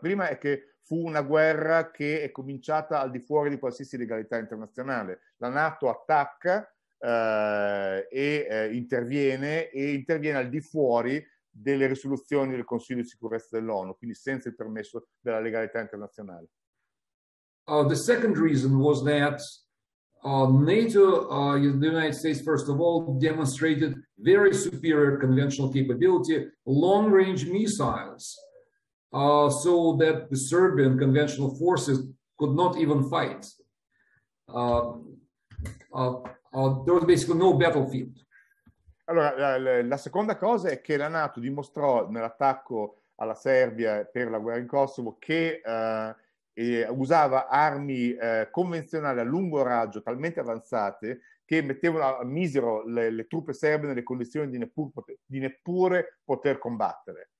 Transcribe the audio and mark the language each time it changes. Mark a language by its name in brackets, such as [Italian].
[Italian] La prima è che fu una guerra che è cominciata al di fuori di qualsiasi legalità internazionale. La NATO attacca e interviene al di fuori delle risoluzioni del Consiglio di Sicurezza dell'ONU, quindi senza il permesso della legalità internazionale. [English] The second reason was that NATO, the United States, first of all, demonstrated very superior conventional capability, long-range missiles, so that the Serbian conventional forces could not even fight. There was basically no battlefield. [Italian] Allora, la seconda cosa è che la NATO dimostrò nell'attacco alla Serbia per la guerra in Kosovo che usava armi convenzionali a lungo raggio talmente avanzate che misero le truppe serbe nelle condizioni di neppure poter combattere.